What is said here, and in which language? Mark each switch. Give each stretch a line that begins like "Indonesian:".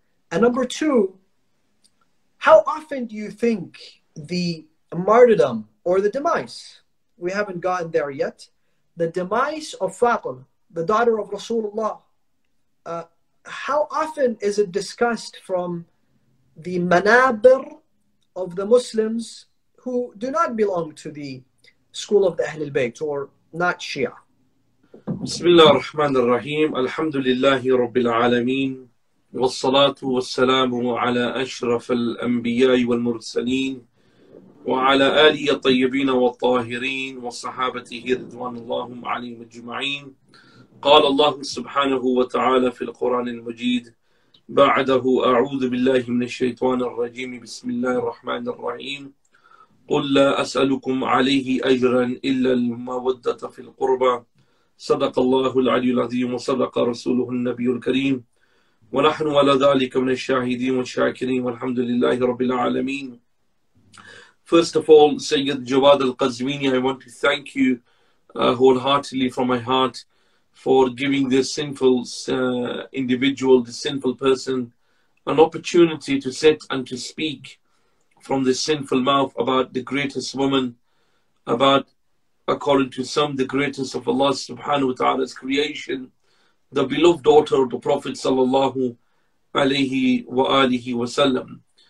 English: And number two, how often do you think the martyrdom or the demise, we haven't gotten there yet, the demise of Fatima, the daughter of Rasulullah, how often is it discussed from the manabir of the Muslims who do not belong to the school of the Ahlul Bayt or not Shia?
Arabic: بسم الله الرحمن الرحيم الحمد لله رب العالمين والصلاة والسلام على أشرف الأنبياء والمرسلين وعلى آله الطيبين والطاهرين وصحابته رضوان الله عليهم أجمعين قال الله سبحانه وتعالى في القرآن المجيد بعده أعوذ بالله من الشيطان الرجيم بسم الله الرحمن الرحيم قل لا أسألكم عليه أجرا إلا المودة في القربى صدق الله العلي العظيم وصدق رسوله النبي الكريم ونحن على ذلك من الشاهدين والشاكرين والحمد لله رب العالمين.
English: First of all, Sayed Jawad Qazwini, I want to thank you wholeheartedly from my heart for giving this sinful individual, this sinful person, an opportunity to sit and to speak from this sinful mouth about the greatest woman, about, according to some, the greatest of Allah subhanahu wa ta'ala's creation, the beloved daughter of the Prophet sallallahu alayhi wa alihi wa sallam.